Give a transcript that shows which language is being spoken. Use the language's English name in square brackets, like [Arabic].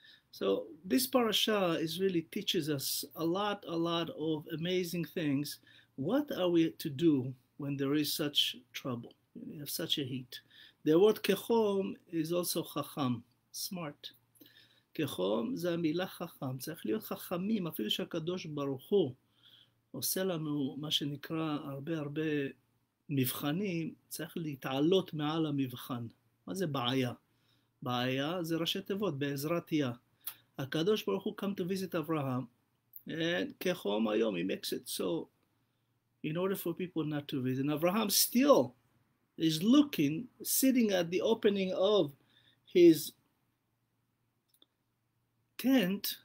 [English] So this parasha is really teaches us a lot of amazing things. What are we to do when there is such trouble? We have such a heat. The word Kechom is also Chacham, smart. [Hebrew] Kechom זה המילה חכם. צריך להיות חכמים, אפילו שהקדוש ברוך הוא עושה לנו מה שנקרא הרבה הרבה מבחנים, צריך להתעלות מעל המבחן. מה זה בעיה? בעיה זה ראשי תיבות, בעזרת יה. הקדוש ברוך הוא [English] come to visit Abraham, and [Hebrew] כחום היום, [English] he makes it so, in order for people not to visit, and Abraham still is looking, sitting at the opening of his tent.